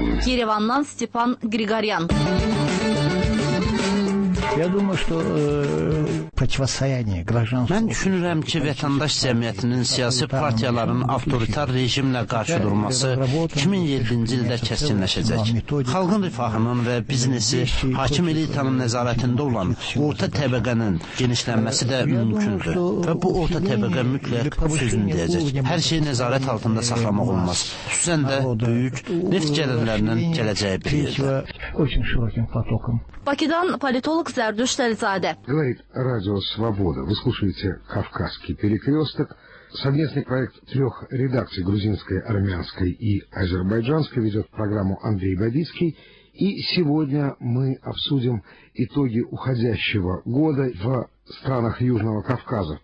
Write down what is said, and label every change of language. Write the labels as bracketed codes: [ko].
[az] Yerevandan Stepan Григорян. [ru] Я думаю, что противостояние гражданского. [az] Мен düşünürəm ki, vətəndaş cəmiyyətinin siyasi partiyaların avtoritar rejimlə qarşı durması 2007-ci ildə kəskinləşəcək. Xalqın rifahının və biznesi hakim elitanın nəzarətində olan orta təbəqənin genişlənməsi də mümkündür. Və bu orta təbəqə mütləq sözünü deyəcək. Hər şey nəzarət altında saxlamaq olmaz. Xüsusən də böyük neft gəlirlərinin gələcəyi bir yerdə. Bakıdan politolog Зардуш Тальзаде. [ru] Говорит радио «Свобода». Вы слушаете «Кавказский перекресток». Совместный проект трех редакций грузинской, армянской и азербайджанской ведет программу Андрей Бабицкий. И сегодня мы обсудим итоги уходящего года в странах Южного Кавказа.